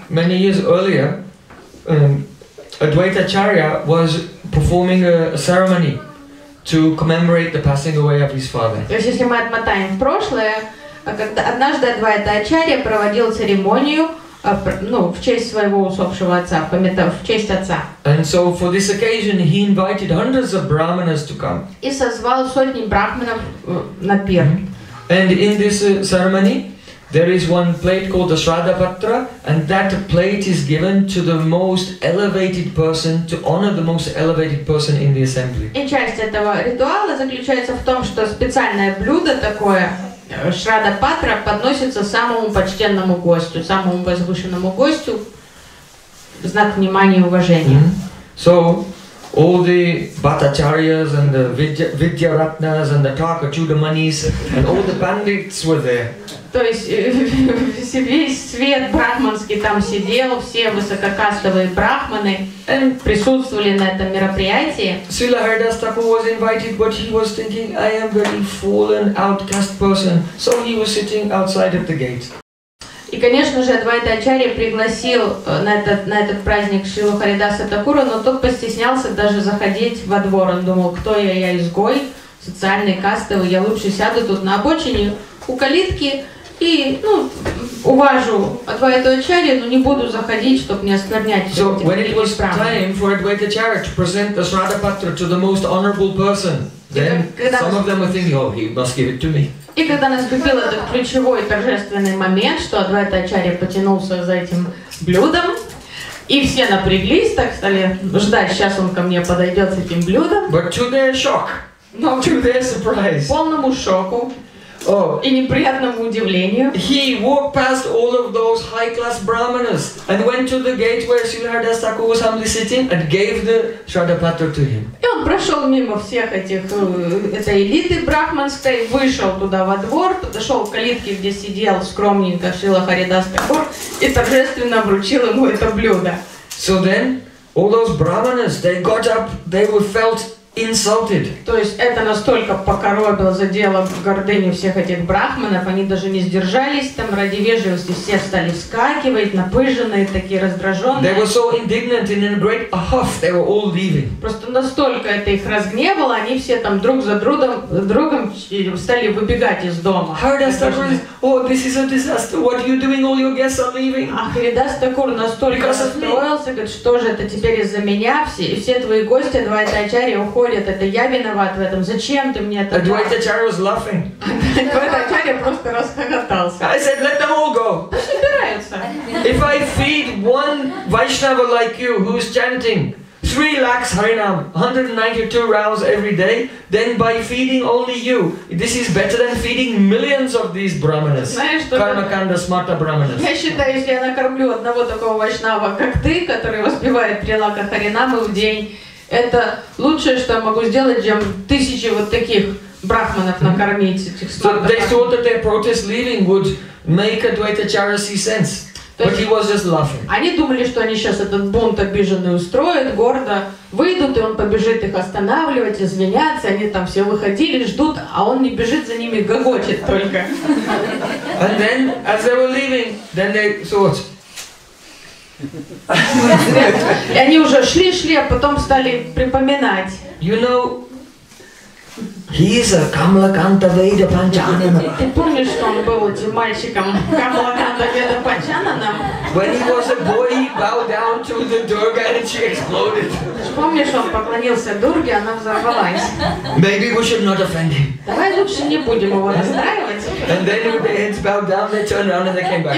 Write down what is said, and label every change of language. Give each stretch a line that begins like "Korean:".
English: Many years earlier, Advaita Acharya was performing a ceremony to commemorate the passing away of his father.
Russian: То есть если мы отмотаем в прошлое, когда однажды Адвайта Ачарья проводил церемонию, ну, в честь своего усопшего отца, в честь отца.
English: And so for this occasion he invited hundreds of brahmanas to come.
Russian: И созвал сотни брахманов на пир.
English: And in this ceremony there is one plate called the Shraddha Patra, and that plate is given to the most elevated person, to honor the most elevated person in the assembly.
Russian: И часть этого ритуала заключается в том, что специальное блюдо такое, Шрада Патра, подносится самому почтенному гостю, самому возвышенному гостю, в знак внимания и уважения.
English: So, all the Bhattacharyas and the Vidyaratnas and the Thakachudamanis and all the pandits were there.
Russian: То есть весь свет брахманский там сидел, все высококастовые брахманы присутствовали на этом мероприятии.
English: Srila Haridasa Thakur was invited, but he was thinking, "I am very fallen, outcast person." So he was sitting outside at the gate.
Russian: И, конечно же, Адвайта Ачарья пригласил на этот праздник Шрилу Харидаса Такура, но тот постеснялся даже заходить во двор. Он думал, кто я изгой, социальный, кастовый, я лучше сяду тут на обочине у калитки и, ну, уважу Адвайту Ачарья, но не буду заходить, чтобы не осквернять.
English: So, when it was time for Advaita Acharya to present the Shraddha Patra to the most honorable person, then some of them were thinking, oh, he must give it to me.
Russian: И когда наступил этот ключевой торжественный момент, что Адвайта Ачарья потянулся за этим блюдом, и все напряглись, так стали ждать, сейчас он ко мне подойдет с этим блюдом.
English: But to their shock,
Russian: но
English: to their surprise,
Russian: полному шоку и неприятному удивлению,
English: he walked past all of those high-class brahmanas and went to the gate where Siddhartha Thakur was humbly sitting and gave the Shraddha Patra to him.
Russian: И он прошел мимо всех этих этой элиты брахманской, вышел туда во двор, подошел к калитке, где сидел скромненько Шрила Харидаса Такур, и торжественно вручил ему это блюдо.
English: So then, all those brahmanas, they got up, they were felt insulted.
Russian: То есть это настолько покоробило, задело гордыню всех этих брахманов, они даже не сдержались там ради вежливости, все стали вскакивать, напыженные, такие раздраженные.
English: They were so indignant and in a great huff, they were all leaving.
Russian: Просто настолько это их разгневало, они все там друг за другом стали выбегать из дома.
English: This is a disaster. What are you doing? All your guests are leaving.
Russian: Ах, Видастакур настолько расстроился, говорит, что же это теперь из-за меня? Все твои гости, Адвайта Ачарья, уходят. Это я виноват в этом. Зачем ты мне это?
English: Адвайта Ачарья was laughing.
Russian: Адвайта Ачарья просто расхохотался.
English: I said, let them all go. If I feed one Vaishnava like you who's chanting 3 lakhs harinam, 192 rounds every day, then by feeding only you, this is better than feeding millions of these brahmanas. Karmakanda smarta brahmanas.
Russian: Я считаю, если я накормлю одного такого вайшнава, как ты, который воспевает 3 лакха харинамы в день, это лучшее, что я могу сделать, чем тысячи вот таких брахманов накормить, этих смарта-брахманов.
English: So they thought that their protest leaving would make Advaita Acharya see sense. But he was just laughing.
Russian: Они думали, что они сейчас этот бунт обиженный устроят, гордо выйдут, и он побежит их останавливать, извиняться. Они там все выходили, ждут, а он не бежит за ними, гогочет только.
English: And then, as they were leaving, then they thought.
Russian: И они уже шли, а потом стали припоминать.
English: You know, he is a Kamalakanta Veda Panchanana.
Russian: Ты помнишь, что он был этим мальчиком Kamalakanta Veda Panchanana?
English: When he was a boy, he bowed down to the Durga and she exploded.
Russian: Помнишь, он поклонился Дурге, она взорвалась.
English: Maybe we should not offend him.
Russian: Давай лучше не будем его расстраивать.
English: And then with their heads bowed down, they turned around and they came back.